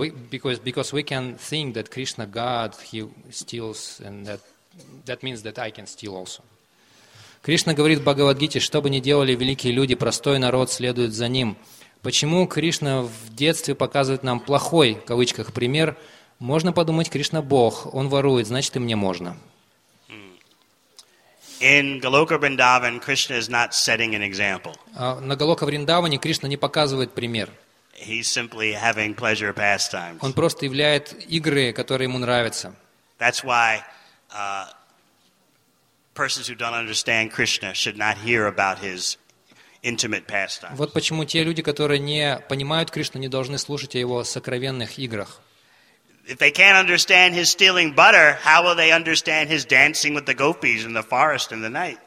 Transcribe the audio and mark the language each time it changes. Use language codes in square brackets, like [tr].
[en] Because we can think that Krishna God, he steals, and that means that I can steal also. [ru] Кришна говорит в Бхагавад Гите, что бы ни делали великие люди, простой народ следует за ним. Почему Кришна в детстве показывает нам плохой, в кавычках, пример? Можно подумать, Кришна Бог, он ворует, значит и мне можно. [en] In Goloka Vrindavan, Krishna is not setting an example. [ru] На Голока Вриндаване Кришна не показывает пример. [en] He's simply having pleasure pastimes. [ru] Он просто являет игры, которые ему нравятся. [en] That's why persons who don't understand Krishna should not hear about his intimate pastimes. [ru] Вот почему те люди, которые не понимают Кришну, не должны слушать о его сокровенных играх. [en] If they can't understand his stealing butter, how will they understand his dancing with the gopis in the forest in the night?